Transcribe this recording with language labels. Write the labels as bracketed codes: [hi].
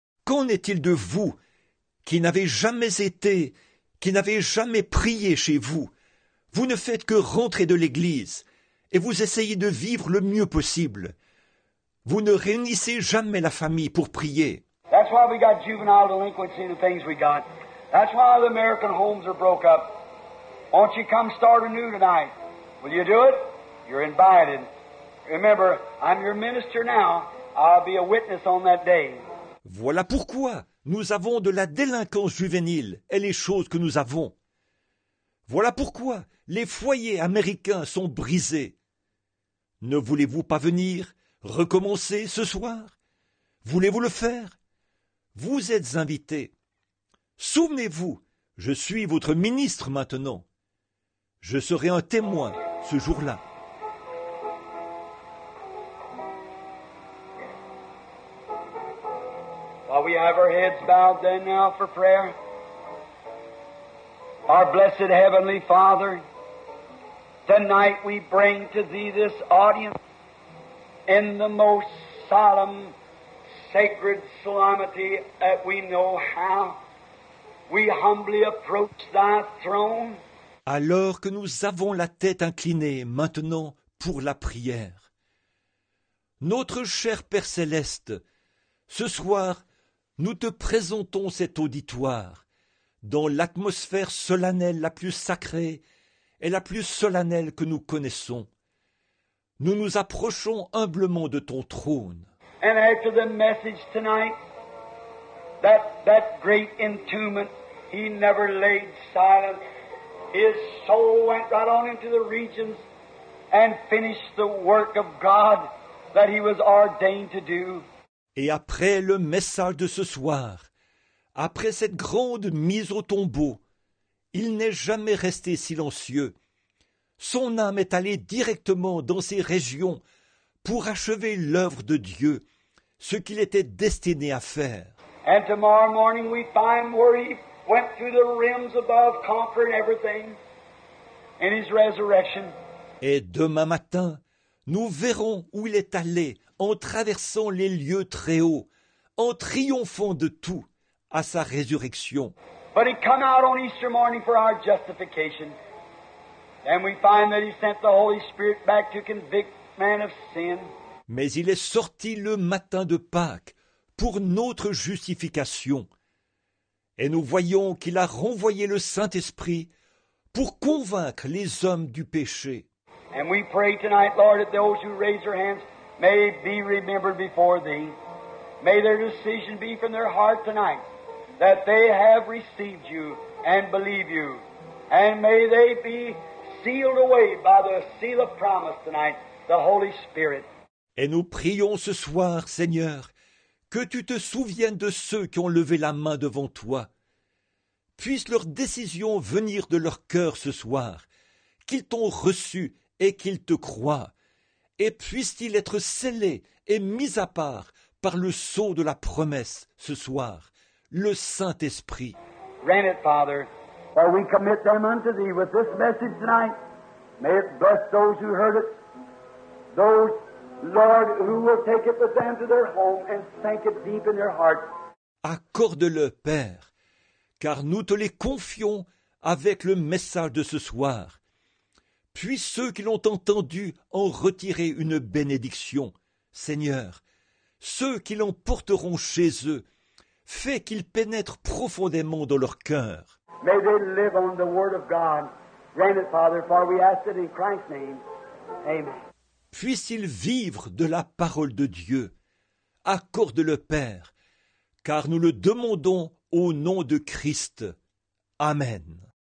[fr] Qu'en est-il de vous qui n'avez jamais été, qui n'avez jamais prié chez vous? Vous ne faites que rentrer de l'église et vous essayez de vivre le mieux possible. Vous ne réunissez jamais la famille pour prier. [en] That's why we got juvenile delinquency and the things we got. That's why the American homes are broke up. Won't you come start anew tonight? Will you do it? You're invited. Remember, I'm your minister now. I'll be a witness on that day. [fr] Voilà pourquoi nous avons de la délinquance juvénile et les choses que nous avons. Voilà pourquoi les foyers américains sont brisés. Ne voulez-vous pas venir recommencer ce soir? Voulez-vous le faire? Vous êtes invité. Souvenez-vous, je suis votre ministre maintenant. Je serai un témoin ce jour-là. [en] While we have our heads bowed then now for prayer, our blessed heavenly Father, tonight we bring to thee this audience in the most solemn, sacred solemnity that we know how. We humbly approach thy throne. [fr] Alors que nous avons la tête inclinée maintenant pour la prière. Notre cher Père Céleste, ce soir, nous te présentons cet auditoire dans l'atmosphère solennelle la plus sacrée et la plus solennelle que nous connaissons. Nous nous approchons humblement de ton trône. [en] And after the message tonight, that great entombment, he never laid silent. His soul went right on into the regions and finished the work of God that he was ordained to do. [fr] Et après le message de ce soir, après cette grande mise au tombeau, il n'est jamais resté silencieux. Son âme est allée directement dans ses régions pour achever l'œuvre de Dieu, ce qu'il était destiné à faire. [en] And tomorrow morning we find where he went through the realms above, conquering everything in his resurrection. [fr] Et demain matin, nous verrons où il est allé en traversant les lieux très hauts, en triomphant de tout à sa résurrection. [en] But he came out on Easter morning for our justification. And we find that he sent the Holy Spirit back to convict man of sin. [fr] Mais il est sorti le matin de Pâques pour notre justification. Et nous voyons qu'il a renvoyé le Saint-Esprit pour convaincre les hommes du péché. [en] And we pray tonight, Lord, that those who raise their hands may be remembered before thee. May their decision be from their heart tonight, that they have received you and believe you. And may they be sealed away by the seal of promise tonight, the Holy Spirit. [fr] Et nous prions ce soir, Seigneur, que tu te souviennes de ceux qui ont levé la main devant toi. Puisse leur décision venir de leur cœur ce soir, qu'ils t'ont reçu et qu'ils te croient. et puisse-t-il être scellé et mis à part par le sceau de la promesse ce soir, le Saint-Esprit. [en] Grant it, Father, for we commit them unto thee with this message tonight. May it bless those who heard it, those, Lord, who will take it with them to their home and sink it deep in their heart. [fr] Accorde-le, Père, car nous te les confions avec le message de ce soir. Puissent ceux qui l'ont entendu en retirer une bénédiction, Seigneur, ceux qui l'emporteront chez eux, fais qu'ils pénètrent profondément dans leur cœur. [en] May they live on the word of God. Grant it, Father, for we ask it in Christ's name. Amen. [fr] Puissent-ils vivre de la parole de Dieu. Accorde-le, Père, car nous le demandons au nom de Christ. Amen.